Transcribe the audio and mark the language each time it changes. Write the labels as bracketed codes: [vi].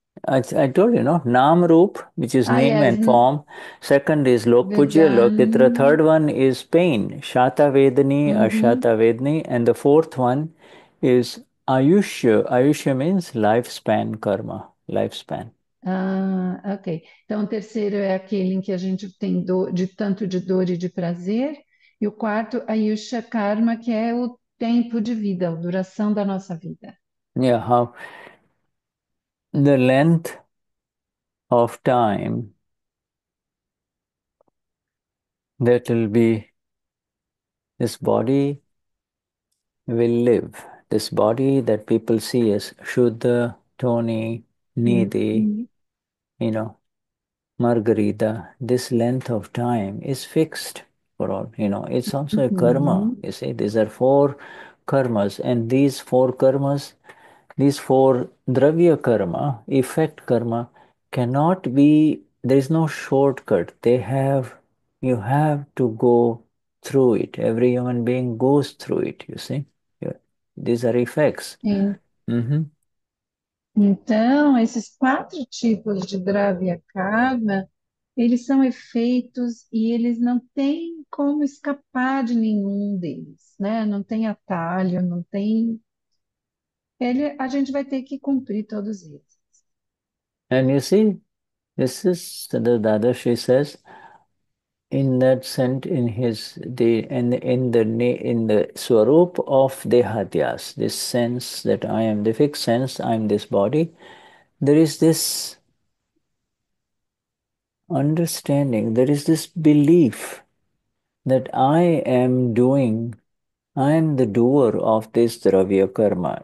[en] I told you, no, Nam Rup, which is Ah, name yes. and form. Second is Lok Pujya, Lok Itra. Vedan. Third one is pain, Shata Vedni, Ashata Vedni, and the fourth one is Ayushya. Ayushya means lifespan karma, lifespan. Ah, ok. [pt] Então, o terceiro é aquele em que a gente tem dor, de tanto de dor e de prazer. E o quarto, Ayusha Karma, que é o tempo de vida, a duração da nossa vida. [en] Yeah, how the length of time that will be this body will live, this body that people see as Shuddha, Toni, Nidhi, Margarita, this length of time is fixed for all. It's also a karma. You see, these are four karmas, and these four karmas. These four dravya karma, effect karma, cannot be, there is no shortcut. You have to go through it. Every human being goes through it, you see. These are effects. [pt] Então, esses quatro tipos de Dravya Karma, eles são efeitos e eles não têm como escapar de nenhum deles, né? Não tem atalho, não tem. A gente vai ter que cumprir todos eles. [en] And you see, this is the Dadashi says, in that sense, in his the in the swarup of Dehadyas, this sense that I am the fixed sense, I am this body, there is this understanding, there is this belief that I am the doer of this dravya karma.